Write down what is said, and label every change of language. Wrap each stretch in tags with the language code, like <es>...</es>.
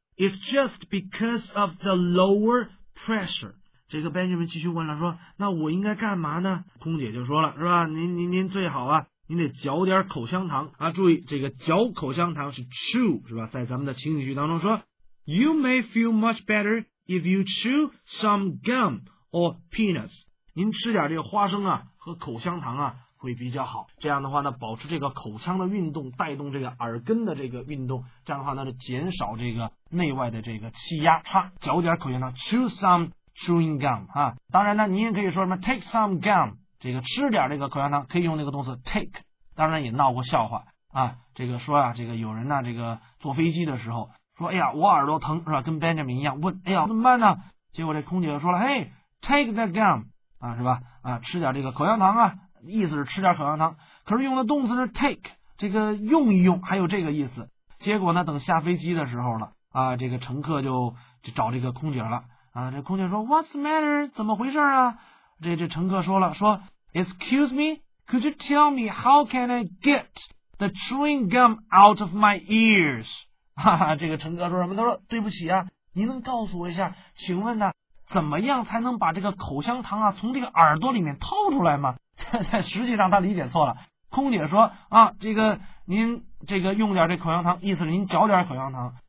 <en>It's just because of the lower pressure.</en> <zh>这个 Benjamin 继续问了，说那我应该干嘛呢？空姐就说了，是吧？您最好啊，您得嚼点口香糖啊。注意，这个嚼口香糖是 chew， 是吧？在咱们的情景剧当中说。</zh> <en>You may feel much better if you chew some gum or peanuts.</en> <zh>您吃点这个花生啊和口香糖啊会比较好。这样的话呢，保持这个口腔的运动，带动这个耳根的这个运动，这样的话呢就减少这个内外的这个气压差。嚼点口香糖 ，</zh> <en>chew some chewing gum</en> <zh>啊。当然呢，您也可以说什么</zh> <en>take some gum，</en> <zh>这个吃点这个口香糖，可以用那个动词 take。当然也闹过笑话啊，这个说啊，这个有人呢、啊，这个坐飞机的时候。说哎呀我耳朵疼是吧，跟 Benjamin 一样问哎呀怎么办呢，结果这空姐就说了，嘿、</zh> <en>hey, take that gum</en> <zh>啊，是吧啊，吃点这个口香糖啊，意思是吃点口香糖，可是用的动词是 take， 这个用一用还有这个意思。结果呢等下飞机的时候了啊，这个乘客就找这个空姐了啊，这空姐说</zh> <en>what's the matter，</en> <zh>怎么回事啊，这乘客说了，说</zh> <en>excuse me， Could you tell me how can I get the chewing gum out of my ears?</en> <zh>哈哈，这个乘客说什么？他说对不起啊，您能告诉我一下，请问呢，怎么样才能把这个口香糖啊从这个耳朵里面掏出来吗？实际上他理解错了。空姐说啊，这个您这个用点这口香糖，意思是您嚼点口香糖。</zh>